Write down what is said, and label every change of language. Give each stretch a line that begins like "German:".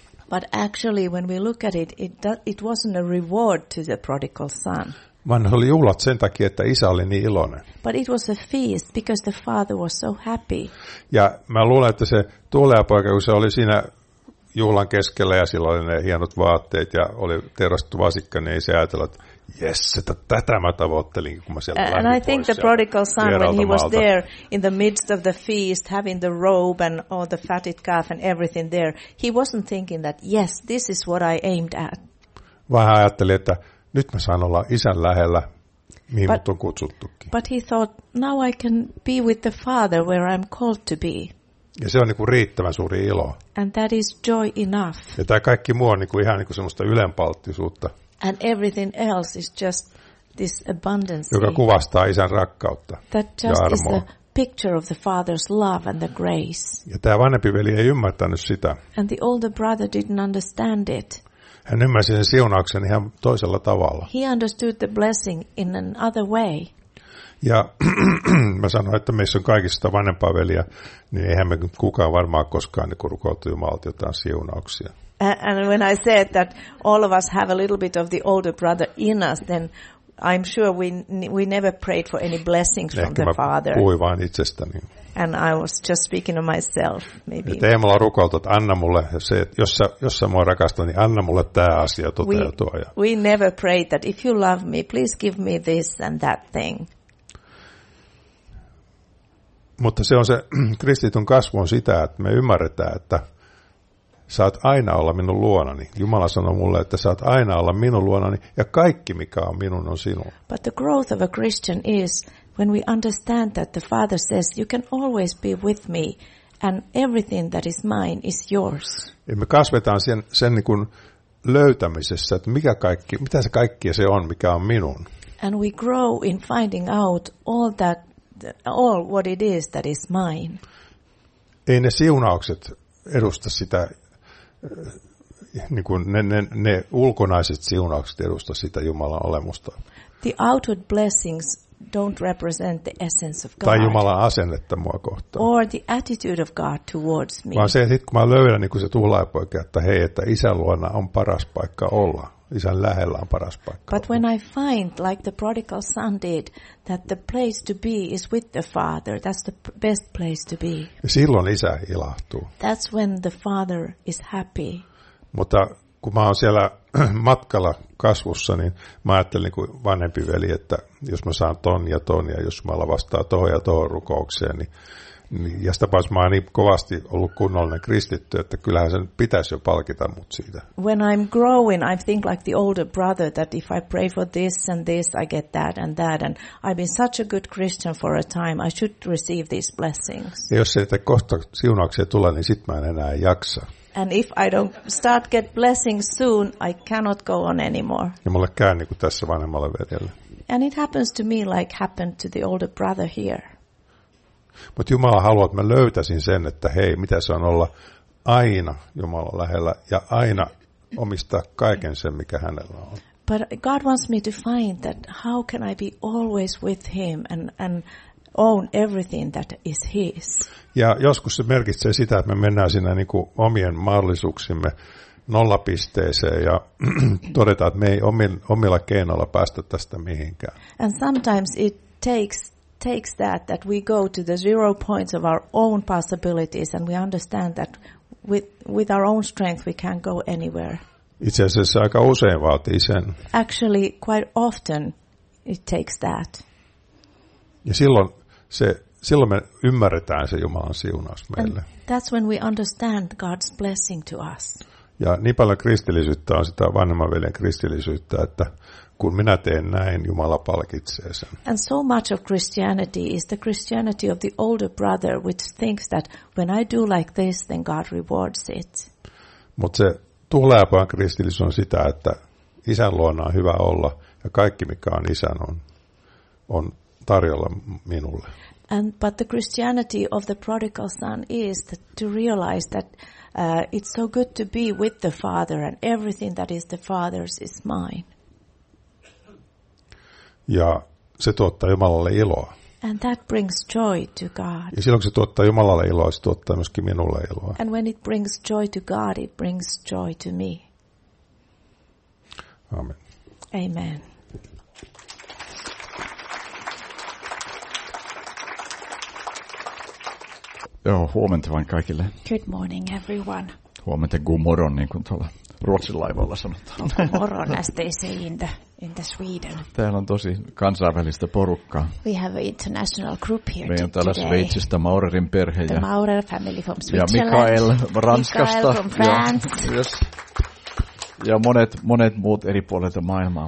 English: But actually when we look at it wasn't a reward to the prodigal son.
Finnish: Vaan oli juhlat sen takia, että isä oli niin iloinen.
English: But it was a feast because the father was so happy.
Finnish: Ja mä luulen, että se tuhlaaja poika, kun se oli siinä juhlan keskellä ja sillä oli ne hienot vaatteet ja oli terastettu vasikka, niin ei se ajatella, että jes, että tätä mä tavoittelin, kun mä siellä lähdin pois.
English: And I think the prodigal son, when he was there in the midst of the feast, having the robe and all the fatted calf and everything there, he wasn't thinking that, yes, this is what I aimed at.
Finnish: Vaan hän ajatteli, että nyt mä saan olla isän lähellä, mihin mut on kutsuttukin.
English: But he thought, now I can be with the father where I'm called to be.
Finnish: Ja se on niinku riittävän suuri ilo.
English: And that is joy enough.
Finnish: Ja tämä kaikki muu on niinku ihan niinku semmoista ylenpalttisuutta.
English: And everything else is just this abundance.
Finnish: Joka kuvastaa isän rakkautta.
English: That just is a picture of the father's love and the grace.
Finnish: Ja tämä vanhempi veli ei ymmärtänyt sitä.
English: And the older brother didn't understand it.
Finnish: Hän ymmärsi sen siunauksen ihan toisella tavalla.
English: He understood the blessing in another way.
Finnish: Ja mä sanoin, että meissä on kaikista vanhempaa veliä, niin eihän me kukaan varmaan koskaan niin rukoiltu Jumalalta jotain siunauksia.
English: And when I said that all of us have a little bit of the older brother in us, then I'm sure we never prayed for any blessings from the father.
Finnish: Ehkä mä puhuin vain itsestäni.
English: And I was just speaking of myself, maybe.
Finnish: Että ei mulla rukoiltu, että anna mulle se, että jos sä mua rakastat, niin anna mulle tämä asia toteutua.
English: We never prayed that if you love me, please give me this and that thing.
Finnish: Mutta se on se kristityn kasvu on sitä, että me ymmärretään, että saat aina olla minun luonani. Jumala sanoi mulle, että saat aina olla minun luonani ja kaikki mikä on minun on sinun.
English: But the growth of a Christian is when we understand that the Father says, you can always be with me and everything that is mine is yours.
Finnish: Ja me kasvetaan sen niin kuin löytämisessä, että mikä kaikki, mitä se kaikki se on, mikä on minun.
English: And we grow in finding out all that, all what it is that is mine.
Finnish: Ei ne siunaukset edusta sitä, niin kuin ne ulkonaiset siunaukset edusta sitä Jumalan olemusta.
English: The outward blessings don't represent the essence of God.
Finnish: Tai Jumalan asennetta mua kohtaan.
English: Or the attitude of God towards me.
Finnish: Vaan se, että sit, kun mä löydän niin kuin se tuhlaajapoike, että hei, että isän luona on paras paikka olla. Isän lähellä on paras paikka.
English: But when I find, like the prodigal son did, that the place to be is with the father, that's the best place to be.
Finnish: Silloin isä ilahtuu.
English: That's when the father is happy.
Finnish: Mutta kun mä oon siellä matkalla kasvussa, niin mä ajattelin kuin vanhempi veli, että jos mä saan ton ja ton, ja jos Jumala vastaa tohon ja tohon rukoukseen, niin ja sitä paitsi mä oon niin kovasti ollut kunnollinen kristitty, että kyllähän sen pitäisi jo palkita mut siitä.
English: When I'm growing, I think like the older brother, that if I pray for this and this, I get that and that, and I've been such a good Christian for a time, I should receive these blessings.
Finnish: Ja jos sieltä kohta siunauksia tulee, niin sit mä en enää jaksa.
English: And if I don't start get blessings soon, I cannot go on anymore.
Finnish: Ja mulle käy niin kuin tässä vanhemmalle veljelle.
English: And it happens to me like happened to the older brother here.
Finnish: Mutta Jumala haluaa, että mä löytäisin sen, että hei, mitä se on olla aina Jumalan lähellä ja aina omistaa kaiken sen, mikä hänellä on.
English: But God wants me to find that how can I be always with him and own everything that is his.
Finnish: Ja joskus se merkitsee sitä, että me mennään sinne niin kuin omien mahdollisuuksimme nollapisteeseen ja todetaan, että me ei omilla keinoilla päästä tästä mihinkään.
English: And sometimes it takes that we go to the zero points of our own possibilities and we understand that with our own strength we can't go anywhere.
Finnish: Itse asiassa aika usein vaatii sen.
English: Actually quite often it takes that.
Finnish: Ja silloin me ymmärretään se Jumalan siunaus meille.
English: And that's when we understand God's blessing to us.
Finnish: Ja niin paljon kristillisyyttä on sitä vanhemman veljen kristillisyyttä, että kun minä teen näin, Jumala palkitsee sen.
English: And so much of Christianity is the Christianity of the older brother, which thinks that when I do like this, then God rewards it.
Finnish: Mutta se tuhlaajapojan kristillisyys on sitä, että isän luona on hyvä olla ja kaikki mikä on isän on tarjolla minulle.
English: But the Christianity of the prodigal son is that to realize that it's so good to be with the father and everything that is the father's is mine.
Finnish: Ja se tuottaa Jumalalle iloa.
English: And that brings joy to God.
Finnish: Ja silloin kun se tuottaa Jumalalle iloa, se tuottaa myöskin minulle iloa.
English: And when it brings joy to God, it brings joy to me.
Finnish: Amen.
English: Amen.
Finnish: Joo, huomenta vain kaikille.
English: Good morning everyone.
Finnish: Huomenta,
Swedish: god morgon,
Finnish: niin kuin tuolla Ruotsin laivalla sanotaan.
Swedish: God morgon,
English: as they say in the Sweden.
Finnish: Täällä on tosi kansainvälistä porukkaa.
English: We have an international group here today.
Finnish: Meillä on täällä Sveitsistä Maurerin perhe.
English: The Maurer family from Switzerland.
Finnish: Ja Mikael Ranskasta.
English: Mikael from France. Yes.
Finnish: Ja monet muut eri puolilta maailmaa.